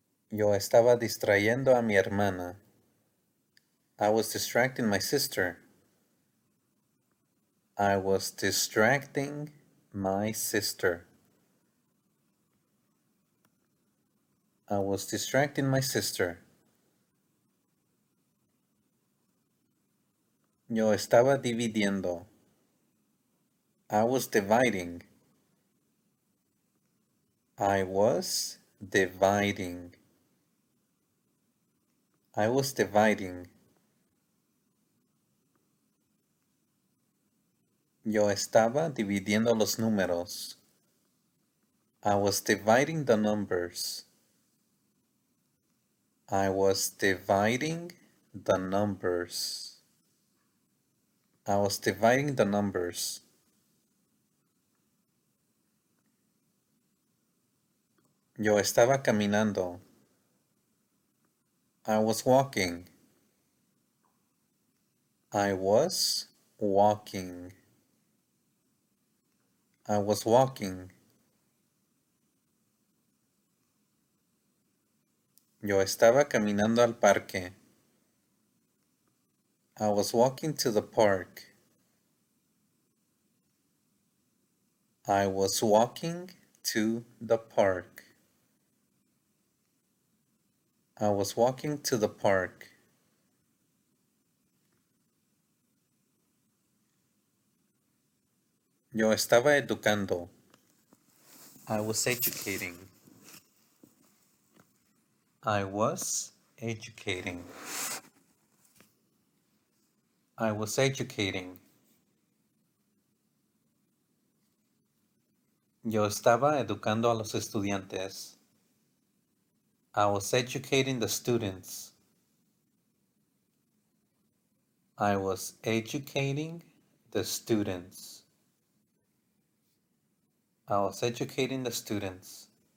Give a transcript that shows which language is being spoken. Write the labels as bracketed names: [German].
[Spanish] Yo estaba distrayendo a mi hermana. [English] I was distracting my sister. I was distracting my sister. I was distracting my sister. [Spanish] Yo estaba dividiendo. [English] I was dividing. I was dividing. I was dividing. [Spanish] Yo estaba dividiendo los números. [English] I was dividing the numbers. I was dividing the numbers. I was dividing the numbers. [Spanish] Yo estaba caminando. [English] I was walking. I was walking. I was walking. [Spanish] Yo estaba caminando al parque. [English] I was walking to the park. I was walking to the park. I was walking to the park. [Spanish] Yo estaba educando. [English] I was educating. I was educating. I was educating. [Spanish] Yo estaba educando a los estudiantes. [English] I was educating the students. I was educating the students. I was educating the students.